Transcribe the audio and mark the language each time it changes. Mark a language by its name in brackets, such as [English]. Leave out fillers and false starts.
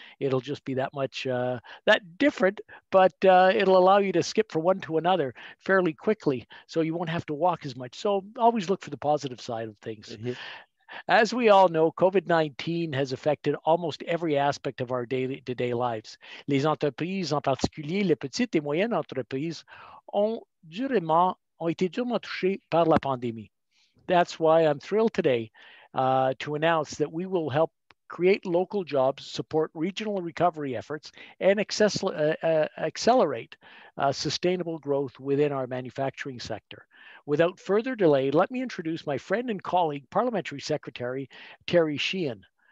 [English] It'll just be that much, that different, but it'll allow you to skip from one to another fairly quickly, so you won't have to walk as much. So always look for the positive side of things. Mm-hmm. As we all know, COVID-19 has affected almost every aspect of our day-to-day lives. [French] Les entreprises, en particulier les petites et moyennes entreprises, ont été durement touchées par la pandémie. [English] That's why I'm thrilled today to announce that we will help create local jobs, support regional recovery efforts, and accelerate sustainable growth within our manufacturing sector. Without further delay, let me introduce my friend and colleague, Parliamentary Secretary Terry Sheehan.